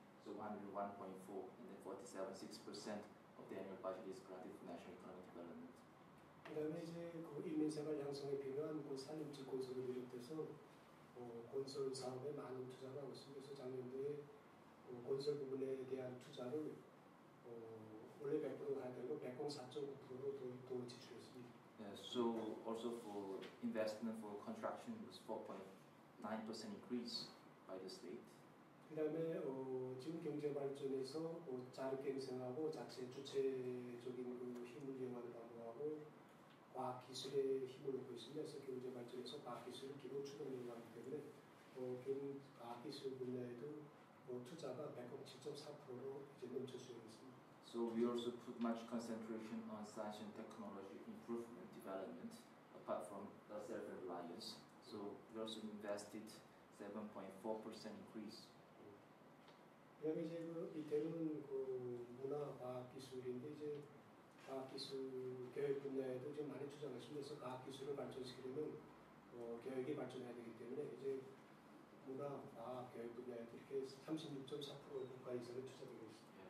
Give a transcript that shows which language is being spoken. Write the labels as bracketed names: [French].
[English] So 101.4 and then 47.6% of the annual budget is granted for national economic development. [Korean] 그다음에 이제 그 인민생활 양성에 필요한 그 산림지 건설을 비롯해서 건설 사업에 많은 투자를 하고 있습니다. 그래서 작년도에 건설 부분에 대한 투자를 원래 100% 가야 되고 104.9%로 더 지출했습니다. [English] Yeah, so also for investment for construction was 4.9% increase by the state. [Korean] 그다음에 지금 경제 발전에서 자립 갱생하고 자체 주체적인 그 힘을 이용하는 방법하고 과학 기술의 힘을 얻고 있습니다. 그래서 경제 발전에서 과학 기술을 기로 추동력을 하기 때문에 과학 기술 분야에도 투자가 107.4%로 이제 넘쳐 수행했습니다. [English] So we also put much concentration on science and technology improvement development apart from the self-reliance. So we also invested 7.4% increase. [Korean] 그다음에 이제 그 밑에는 그 문화 과학 기술인데 이제 과학 기술 교육 분야에도 지금 많이 투자하시면서 과학 기술을 발전시키려면 교육이 발전해야 되기 때문에 이제 문화 과학 교육 분야에도 이렇게 36.4% 국가 예산을 투자하고 있습니다.